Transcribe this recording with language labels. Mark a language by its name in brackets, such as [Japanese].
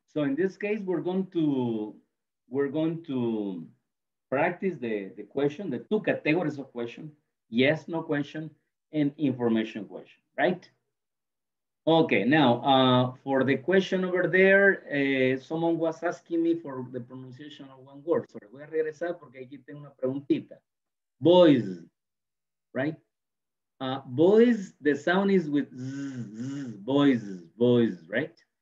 [English] So in this case, we're going to practice the question, the two categories of question, yes, no question, and information question, right? Okay, now, for the question over there, someone was asking me for the pronunciation of one word. [Spanish] So, voy a regresar porque aquí tengo una preguntita. [English] Boys, right? Boys, the sound is with z, z, boys, right?